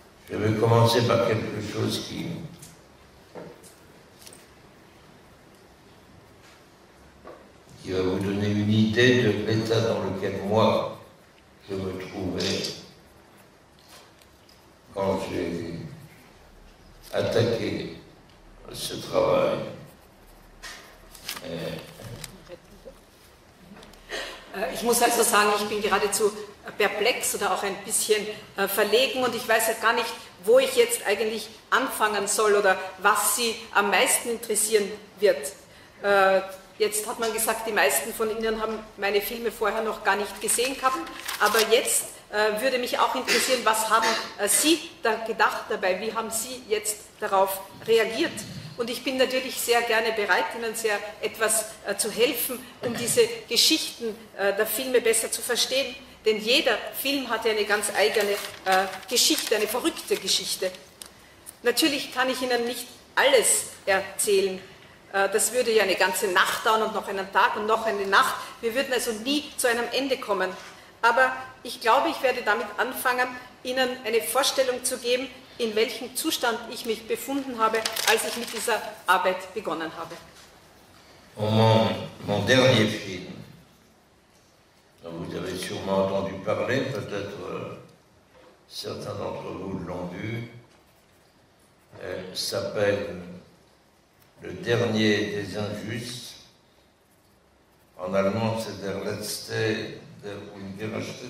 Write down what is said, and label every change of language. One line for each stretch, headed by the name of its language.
French: Je vais commencer par quelque chose qui va vous donner une idée de l'état dans lequel moi je me trouvais quand j'ai attaqué ce travail.
German: Ich muss also sagen, ich bin geradezu perplex oder auch ein bisschen verlegen und ich weiß ja gar nicht, wo ich jetzt eigentlich anfangen soll oder was Sie am meisten interessieren wird. Jetzt hat man gesagt, die meisten von Ihnen haben meine Filme vorher noch gar nicht gesehen gehabt, aber jetzt würde mich auch interessieren, was haben Sie da gedacht dabei, wie haben Sie jetzt darauf reagiert? Und ich bin natürlich sehr gerne bereit, Ihnen sehr etwas zu helfen, um diese Geschichten der Filme besser zu verstehen. Denn jeder Film hat ja eine ganz eigene Geschichte, eine verrückte Geschichte. Natürlich kann ich Ihnen nicht alles erzählen. Das würde ja eine ganze Nacht dauern und noch einen Tag und noch eine Nacht. Wir würden also nie zu einem Ende kommen. Aber ich glaube, ich werde damit anfangen, Ihnen eine Vorstellung zu geben, in welchem Zustand ich mich befunden habe, als ich mit dieser Arbeit begonnen habe.
French: Und mon dernier Film, vous avez sûrement entendu parler, peut-être certains d'entre vous l'ont vu, s'appelle Le dernier des injustes. En allemand, c'est Der letzte, der ungerechte,